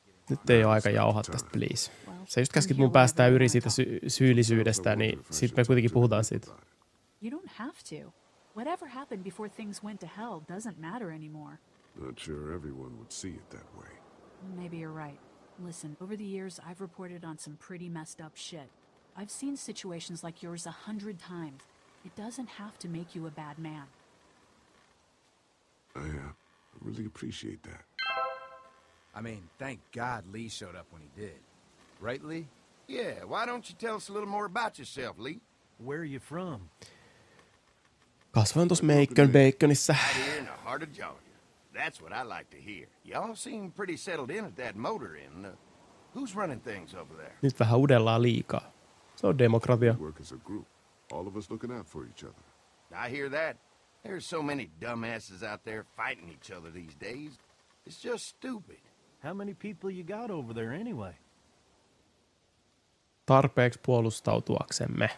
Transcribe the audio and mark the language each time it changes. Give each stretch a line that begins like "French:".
Finnish: Nyt ei ole aika jauhaa tästä, please. Sä just käskit mun päästää yri siitä syyllisyydestä, niin sit me kuitenkin puhutaan siitä.
English: You don't have to. Whatever happened before things went to hell doesn't matter anymore. Not sure everyone would see it that way. Maybe you're right. Listen, over the years, I've reported on some pretty messed up shit. I've seen situations like yours 100 times. It doesn't have to make you a bad man. I really appreciate that. I mean, thank God Lee showed up when he did. Right, Lee? Yeah, why don't you tell us a little more about yourself, Lee? Where are you from?
Finnish: Kasvoin tossa Macon Baconissa.
English: Right here in the heart of Georgia. That's what I like to hear. Y'all seem pretty settled in at that motor inn. Who's running things over there?
Finnish: Nyt vähän uudellaan liikaa. Se on demokratia.
English: We work as a group. All of us looking out for each other. I hear that. There's so many dumbasses out there fighting each other these days. It's just stupid. How many people you got over there anyway?
Finnish: Tarpeeksi puolustautuaksemme.